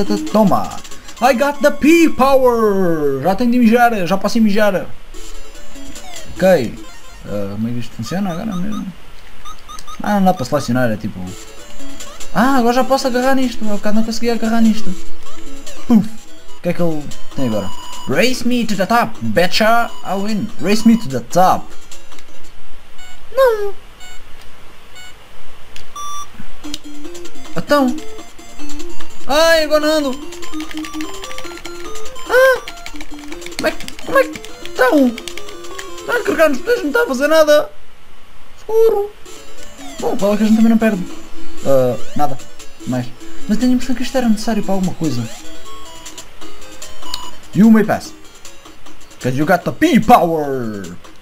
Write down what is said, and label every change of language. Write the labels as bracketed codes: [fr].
[pt] Toma! [en] I got the pee power! [pt] Já tenho de mijar, já posso mijar. Ok. Como é que isto funciona agora mesmo? Ah, não dá para selecionar, é tipo. Ah, agora já posso agarrar nisto. Há bocado não conseguia agarrar nisto. Puf! O que é que ele tem agora? [en] Race me to the top, betcha, I win. Race me to the top. Não. [pt] Então. Ai, agora não ando. Como é que estão? Estão a carregar nos pés, não está a fazer nada. Escuro. Bom, fala que a gente também não perde. Nada. Mais. Mas tenho a impressão que isto era necessário para alguma coisa. [en] You may pass. Cause you got the pee power!